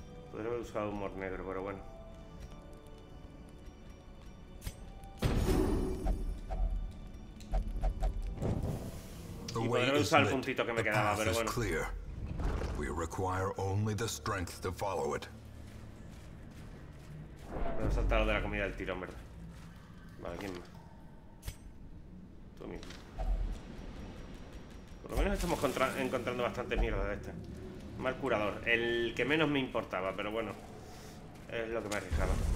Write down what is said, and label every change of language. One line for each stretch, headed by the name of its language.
Spanish: Podría haber usado humor negro, pero bueno. The y podría haber usado el puntito que me quedaba, pero bueno.
English: Clear. We require only the strength to follow it.
Spanish: Me voy a saltar lo de la comida del tirón, ¿verdad? Vale, ¿quién más? Tú mismo. Por lo menos estamos encontrando bastantes mierdas de este. Mal curador. El que menos me importaba, pero bueno. Es lo que me arriesgaba.